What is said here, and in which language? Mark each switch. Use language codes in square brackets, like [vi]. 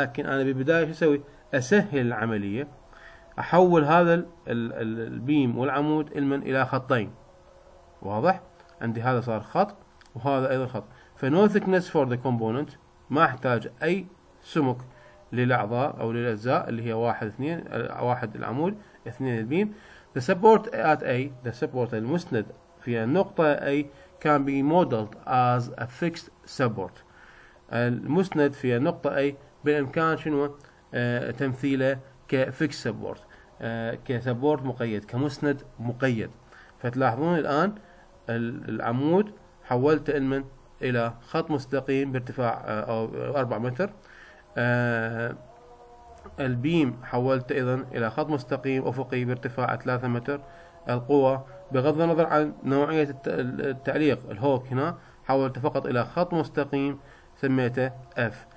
[ar] لكن انا بالبدايه شو اسوي؟ اسهل العمليه، احول هذا البيم والعمود المن الى خطين، واضح؟ عندي هذا صار خط وهذا ايضا خط، [en] فنو thickness for the component, [ar] ما احتاج اي سمك للاعضاء او للاجزاء اللي هي 1 2 1 العمود 2 البيم. [en] The support at A، the support [ar] المسند في النقطة A [en] can be modeled as a fixed support، [ar] المسند في النقطة A بالامكان شنو؟ تمثيله ك [en] fixed support، ك support [ar] مقيد، كمسند مقيد. فتلاحظون الان العمود حولته من الى خط مستقيم بارتفاع 4 متر، البيم حولته ايضا الى خط مستقيم افقي بارتفاع 3 متر، القوة بغض النظر عن نوعية التعليق الهوك هنا حولته فقط الى خط مستقيم سميته F.